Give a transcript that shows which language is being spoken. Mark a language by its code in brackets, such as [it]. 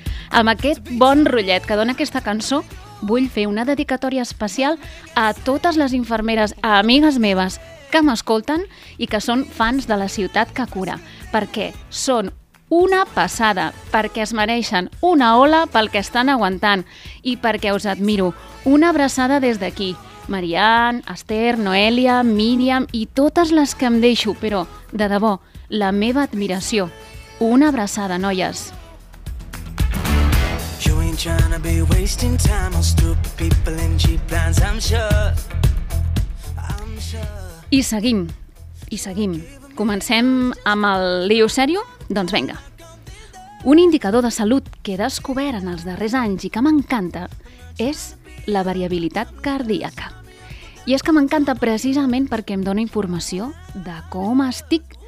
[ca] Amb aquest bon rotllet que dona aquesta cançó, vull fer una dedicatòria especial a totes les infermeres, a amigues meves, que m'escolten i que són fans de la ciutat que cura, perquè són una passada, perquè es mereixen una ola pel que estan aguantant i perquè us admiro. Una abraçada des d'aquí, Marian, Esther, Noelia, Míriam i totes les que em deixo, però, de debò, la meva admiració. Una abraçada, noies. [en] Trying to be wasting time on stupid people and cheap plans, I'm sure, I'm sure. [ca] I seguim. Comencem amb el lío serio? Doncs venga. Un indicador de salut que he descobert en els darrers anys i que m'encanta és la variabilitat cardíaca. I és que m'encanta precisament perquè em dona informació de com estic